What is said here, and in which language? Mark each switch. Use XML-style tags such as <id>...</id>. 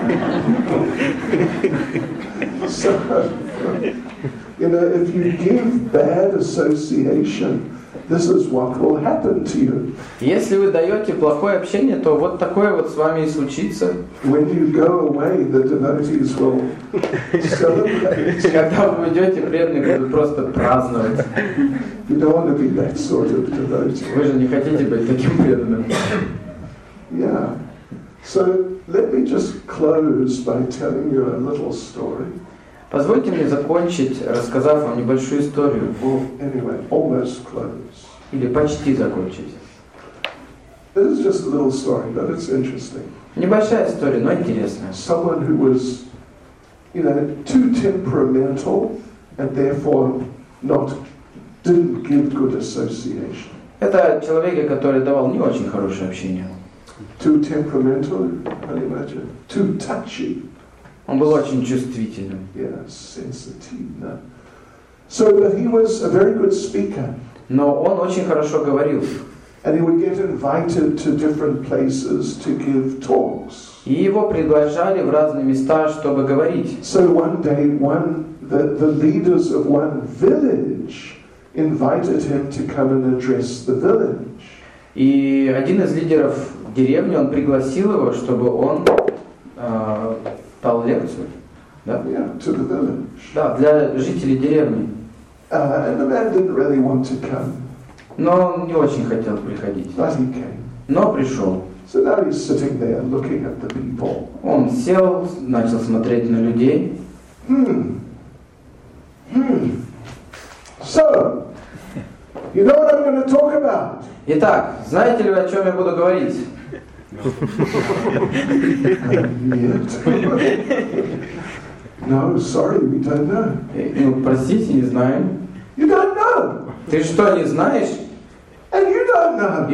<en>So, you know, if you give bad association, this is what will happen to you.</en> <ru>Если вы даете плохое общение, то вот такое вот с вами и случится.</ru> <en>When you go away, the devotees will celebrate.</en> <ru>Когда вы уйдете, преданные будут просто праздновать.</ru> <en>You don't want to be that sort of devotee.</en> <ru>Вы же не хотите быть таким преданным.</ru> <en>Yeah. So let me just close by telling you a little story.</en> <ru>Позвольте мне закончить, рассказав вам небольшую историю.</ru> <en>Well, anyway, almost close.</en> <ru>Или почти закончились.</ru> <en>This is just a little story, but it's interesting.</en> <ru>Небольшая история, но интересная.</ru> <en>Someone who was, you know, too temperamental and therefore not didn't give good association.</en> <ru>Это человек, который давал не очень хорошее общение.</ru> <en>Too temperamental, I imagine. Too touchy.</en> <ru>Он был очень чувствительным.</ru> <en>Yes, sensitive. No. So, but he was a very good speaker.</en> <ru>Но он очень хорошо говорил.</ru> <en>And he would get invited to different places to give talks.</en> <ru>И его приглашали в разные места, чтобы говорить.</ru> <en>So one day, the leaders of one village invited him to come and address the village.</en> <ru>И один из лидеров деревни, он пригласил его, чтобы он дал лекцию. Да?</ru> <en>Yeah, to the village.</en> <ru>Да, для жителей деревни.</ru> <en>And the man didn't really want to come.</en> <ru>Но он не очень хотел приходить.</ru> <en>But he came.</en> <ru>Но пришел.</ru> <en>So now he's sitting there looking at the people.</en> <ru>Он сел, начал смотреть на людей.</ru> <en>So, you know what I'm going to talk about?</en> <ru>Итак, знаете ли вы, о чем я буду говорить? Нет.</ru> <en>No, sorry, we don't know.</en> <ru>Ну, простите, не знаем.</ru> <en>You don't know.</en> <ru>Ты что, не знаешь?</ru> <en>And you don't know.</en>